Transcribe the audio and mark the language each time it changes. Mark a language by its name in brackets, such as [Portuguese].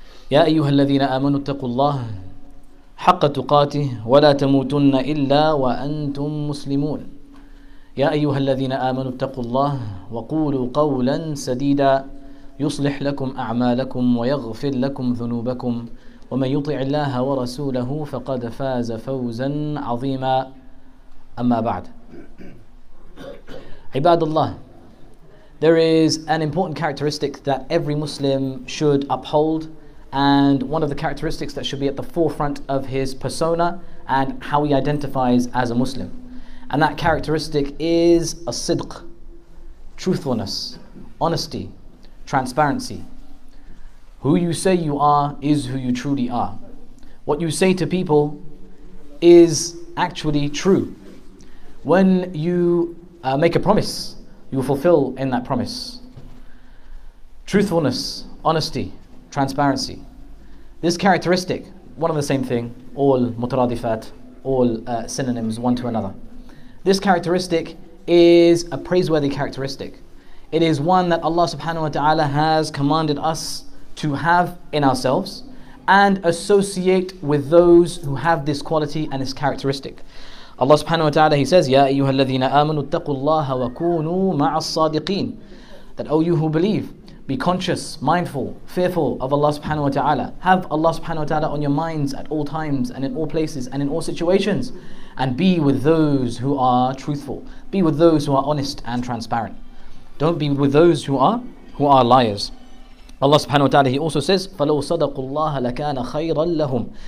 [Arabic] يا أيها الذين آمنوا اتقوا الله حق تقاته ولا تموتن إلا وأنتم مسلمون يا أيها الذين آمنوا اتقوا الله وقولوا قولا سديدا يصلح لكم أعمالكم ويغفر لكم ذنوبكم ومن يطع الله ورسوله فقد فاز فوزا عظيما أما بعد عباد الله. [English] There is an important characteristic that every Muslim should uphold, and one of the characteristics that should be at the forefront of his persona and how he identifies as a Muslim. And that characteristic is a sidq, truthfulness, honesty, transparency. Who you say you are is who you truly are. What you say to people is actually true. When you make a promise, you fulfill in that promise. Truthfulness, honesty, transparency. This characteristic, one of the same thing, all mutaradifat, all synonyms one to another. This characteristic is a praiseworthy characteristic. It is one that Allah subhanahu wa ta'ala has commanded us to have in ourselves and associate with those who have this quality and this characteristic. Allah subhanahu wa ta'ala, He says, [Arabic] يَا أَيُّهَا الَّذِينَ آمَنُوا اتَّقُوا اللَّهَ وَكُونُوا مَعَ الصَّادِقِينَ. [English] That, O you who believe, be conscious, mindful, fearful of Allah subhanahu wa ta'ala. Have Allah subhanahu wa ta'ala on your minds at all times and in all places and in all situations. And be with those who are truthful. Be with those who are honest and transparent. Don't be with those who are liars. Allah subhanahu wa ta'ala, He also says, [Arabic] فَلَوْ صَدَقُوا اللَّهَ لَكَانَ خَيْرًا لَهُمْ.